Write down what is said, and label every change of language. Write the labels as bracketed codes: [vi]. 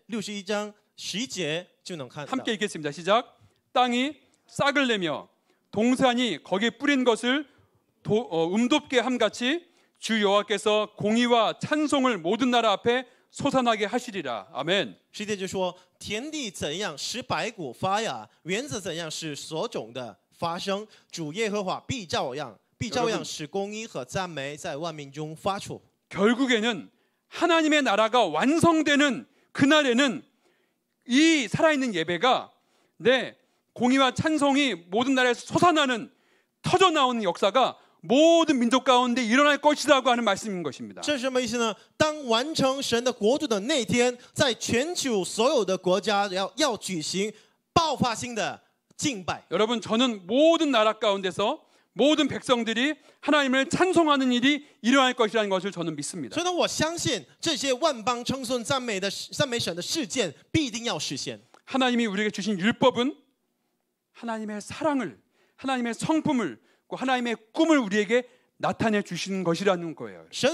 [zh] 神为什么让就神为什么赐给我们就这么失败的这些子女们恩典呢？我们在61章11节就能看到。 [ko] 함께 읽겠습니다. 시작. 땅이 싹을 내며 동산이 거기 뿌린 것을 움돕게 함 같이 주 여호와께서 공의와 찬송을 모든 나라 앞에 소산하게 하시리라. 아멘. 시대 [zh] 就说天地怎样使百谷发芽，园子怎样使所种的 发生，主耶和华必照样使公义和赞美在万民中发出。 [ko] 결국에는 하나님의 나라가 완성되는 그날에는 이 살아있는 예배가 내 공의와 찬송이 모든 나라에서 솟아나는 터져나오는 역사가 모든 민족 가운데 일어날 것이라고 하는 말씀인 것입니다. [zh] 这是什么意思呢？当完成神的国度的那天，在全球所有的国家要举行爆发性的敬拜。 [ko] 여러분, 저는 모든 나라 가운데서 모든 백성들이 하나님을 찬송하는 일이 일어날 것이라는 것을 저는 믿습니다. 저는 [zh] 我相信这些万邦称颂赞美的赞美神的事件必定要实现。 [ko] 하나님이 우리에게 주신 율법은 하나님의 사랑을, 하나님의 성품을, 하나님의 꿈을 우리에게 나타내 주신 것이라는 거예요.